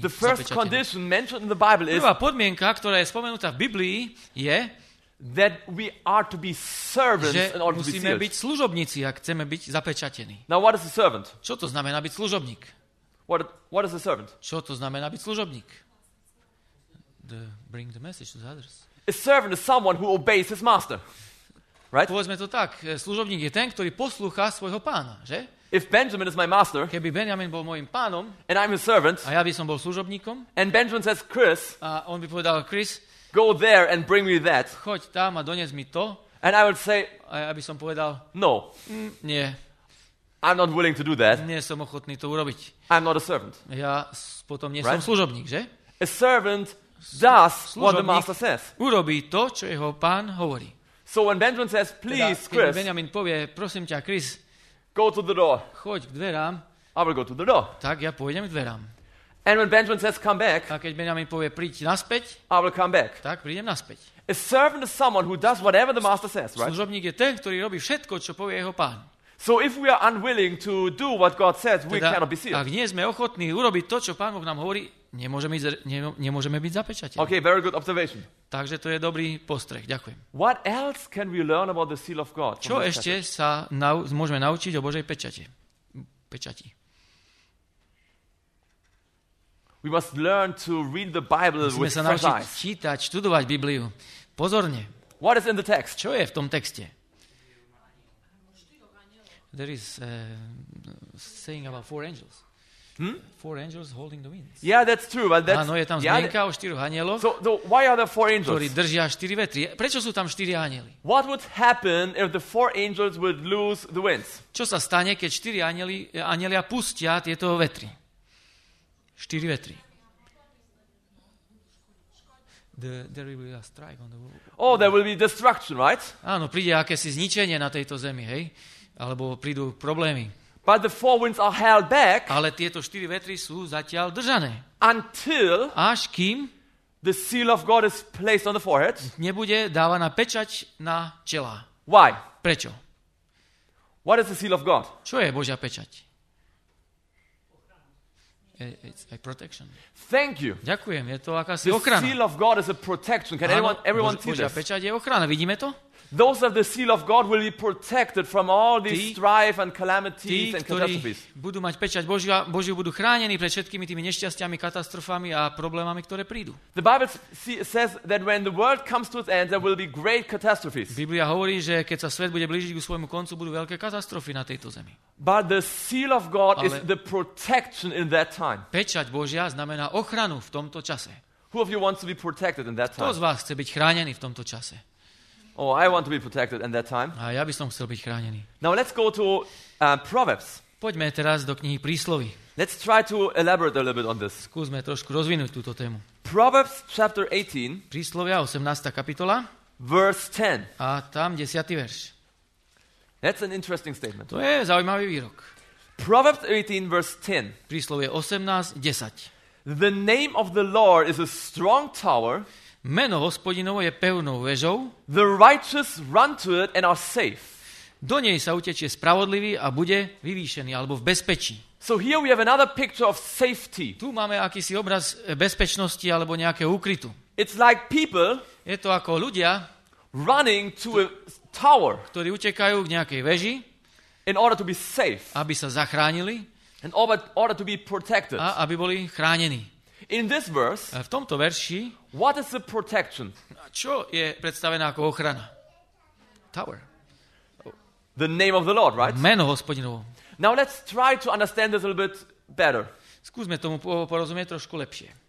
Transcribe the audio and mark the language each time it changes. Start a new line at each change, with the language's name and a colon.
English: The first condition mentioned in the Bible is...
Slovak: Prvá podmienka, ktorá je spomenutá v Biblii, je...
English: That we are to be servants in order to be sealed.
Slovak: Že musíme byť služobníci, ak chceme byť zapečatení.
English: Now, what is a servant?
Slovak: Čo to znamená byť služobník?
English: What is a servant?
Slovak: Čo to znamená byť služobník?
English: Bring the message to the others. A servant is someone who obeys his master. Right?
Slovak: Povedzme to tak, služobník je ten, ktorý poslúcha svojho pána, že?
English: If Benjamin is my master,
Slovak: keby Benjamin bol môjim pánom,
English: and I'm his servant,
Slovak: a ja by som bol služobníkom,
English: and Benjamin says, Chris,
Slovak: a on by povedal, Chris,
English: go there and bring me that,
Slovak: choď tam a donies mi to,
English: and I would say,
Slovak: a ja by som povedal,
English: no,
Slovak: nie,
English: I'm not willing to do that,
Slovak: nie som ochotný to urobiť,
English: I'm not a servant,
Slovak: ja potom nie
English: right?
Slovak: som služobník, že?
English: A servant does what the master says,
Slovak: urobí to, čo jeho pán hovorí.
English: So when Benjamin says, please, Chris,
Slovak: keď Benjamin povie, prosím ťa, Chris,
English: go to the door.
Slovak: Choď k dverám.
English: I will go to the door.
Slovak: Tak ja pôjdem k dverám.
English: And when Benjamin says, come back.
Slovak: A keď Benjamin povie, príď naspäť.
English: I will come back.
Slovak: Tak prídem naspäť.
English: A servant is someone who does whatever the master says, right?
Slovak: Služobník je ten, ktorý robí všetko, čo povie jeho pán.
English: So if we are unwilling to do what God says, we cannot be sealed.
Slovak: Ak nie sme ochotní urobiť to, čo Pán Boh nám hovorí, nemôžeme byť zapečatení.
English: Okay, very good observation.
Slovak: Takže to je dobrý postreh. Ďakujem.
English: What else can we learn about the seal of God?
Slovak: Čo ešte sa môžeme naučiť o Božej pečati?
English: We must learn to read the Bible with fresh eyes.
Slovak: Musíme sa naučiť čítať, študovať Bibliu. Pozorne.
English: What is in the text?
Slovak: Čo je v tom texte?
English: There is saying about four angels. Hmm? Four angels holding the winds. Yeah, that's true, but that's
Slovak: Áno, je tam zmienka o štyroch anieloch.
English: So why are there four angels?
Slovak: Ktorí držia štyri vetri. Prečo sú tam štyri anieli?
English: What would happen if the four angels would lose the winds?
Slovak: Čo sa stane, keď štyri anielia pustia tieto vetri? Štyri vetri.
English: There will be a strike on the world. Oh, there will be destruction, right?
Slovak: Áno, príde akési zničenie na tejto zemi, hej? Alebo prídu problémy.
English: But the four winds are held back.
Slovak: Ale tieto štyri vetry sú zatiaľ držané.
English: Until
Slovak: až kým
English: the seal of God is placed on the forehead.
Slovak: Nebude dávaná pečať na čela.
English: Why?
Slovak: Prečo?
English: What is the seal of God?
Slovak: Čo je Božia pečať?
English: It's a protection. Thank you.
Slovak: Ďakujem, je to akási
English: the
Slovak: ochrana.
English: The seal of God is a protection. Can everyone see
Slovak: Božia pečať je ochrana, vidíme to?
English: Those of the seal of God will be protected from all this strife and calamities and catastrophes.
Slovak: Budú mať pečať Božiu, budú chránení pred všetkými tými nešťastiami, katastrofami a problémami, ktoré prídu.
English: The Bible says that when the world comes to its end there will be great catastrophes.
Slovak: Biblia hovorí, že keď sa svet bude blížiť k svojmu koncu, budú veľké katastrofy na tejto zemi.
English: But the seal of God is the protection in that time.
Slovak: Pečať Božia znamená ochranu v tomto čase.
English: Who of you wants to be protected in that time?
Slovak: Kto z vás chce byť chránený v tomto čase?
English: Oh, I want to be protected in that time.
Slovak: A ja by som chcel byť chránený.
English: Now let's go to Proverbs.
Slovak: Poďme teraz do knihy Prísloví.
English: Let's try to elaborate a little bit on this.
Slovak: Skúsme trošku rozvinúť túto tému.
English: Proverbs chapter 18.
Slovak: Príslovia 18. kapitola.
English: Verse 10.
Slovak: A tam 10. verš.
English: That's an interesting statement.
Slovak: To je zaujímavý výrok.
English: Proverbs 18 verse 10.
Slovak: Príslovie 18:10.
English: The name of the Lord is a strong tower.
Slovak: Meno Hospodinovo je pevnou vežou.
English: The righteous run to it and are safe.
Slovak: Do nej sa utečie spravodlivý a bude vyvýšený alebo v bezpečí.
English: So here we have another picture of safety.
Slovak: Tu máme akýsi obraz bezpečnosti alebo nejakého úkrytu.
English: It's like people.
Slovak: Je to ako ľudia
English: running to a tower.
Slovak: Ktorí utekajú k nejakej veži.
English: In order to be safe.
Slovak: Aby sa zachránili.
English: In order to be protected.
Slovak: A aby boli chránení.
English: In this verse,
Slovak: v tomto verši,
English: what is the protection?
Slovak: čo je predstavená ako ochrana?
English: Tower. The name of the Lord, right?
Slovak: Meno Hospodinovo.
English: Now let's try to understand this a little bit better.
Slovak: Skúsme tomu porozumieť trošku lepšie.